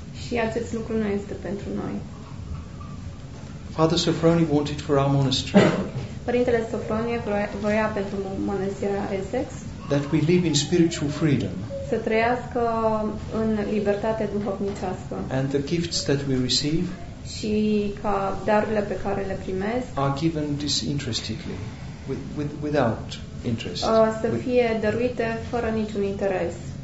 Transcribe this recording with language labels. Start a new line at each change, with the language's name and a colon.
Romanian: Și acest lucru nu este pentru noi.
English: Father Sofroni wanted for our monastery.
Romanian: Părintele Sofronie voia pentru mănăstirea Essex
English: that we live in spiritual freedom.
Romanian: Să trăiască în libertate duhovnicească.
English: And the gifts that we receive
Romanian: și ca darurile pe care le primesc
English: are given disinterestedly, without interest.
Romanian: Să fie dăruite fără niciun interes.